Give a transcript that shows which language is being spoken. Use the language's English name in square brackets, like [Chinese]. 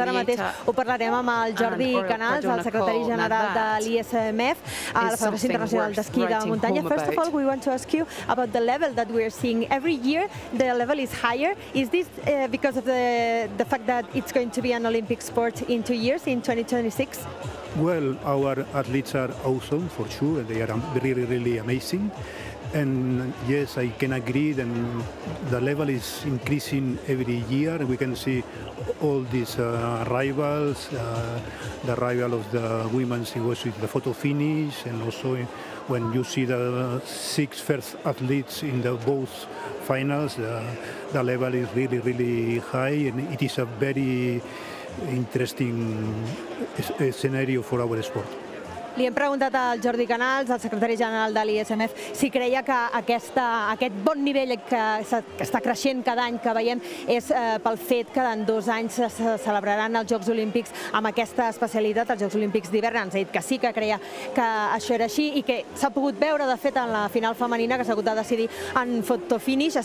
[Catalan] Ara mateix ho parlarem amb el Jordi Canals, el secretari general de l'ISMF, a la Federació Internacional d'Esquí de Muntanya. [English] First of all, we want to ask you about the level that we are seeing. Every year, the level is higher. Is this because of the fact that it's going to be an Olympic sport in 2 years, in 2026? Well, our athletes are awesome, for sure. They are really, really amazing. And yes, I can agree that the level is increasing every year. We can see all these arrivals, the arrival of the women's, it was with the photo finish, and also when you see the six first athletes in the both finals, the level is really, really high, and it is a very interesting scenario for our sport. [Catalan] Li hem preguntat al Jordi Canals, al secretari general de l'ISMF, si creia que aquest bon nivell que està creixent cada any que veiem és pel fet que en 2 anys es celebraran els Jocs Olímpics amb aquesta especialitat, els Jocs Olímpics d'hivern. Ens ha dit que sí, que creia que això era així i que s'ha pogut veure, de fet, en la final femenina, que s'ha hagut de decidir en photo finish.